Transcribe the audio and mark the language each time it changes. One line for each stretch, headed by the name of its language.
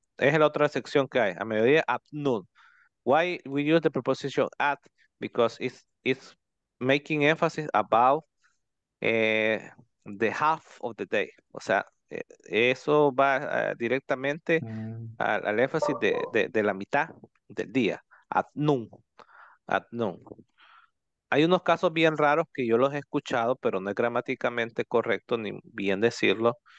Spanish: Es la otra sección que hay. A mediodía,
English: at noon. Why we use the preposition at? Because it's making emphasis about the half of the day.
Spanish: O sea. Eso va directamente al énfasis de la mitad del día,
English: at noon.
Spanish: Hay unos casos bien raros que yo los he escuchado, pero no es gramáticamente correcto ni bien decirlo.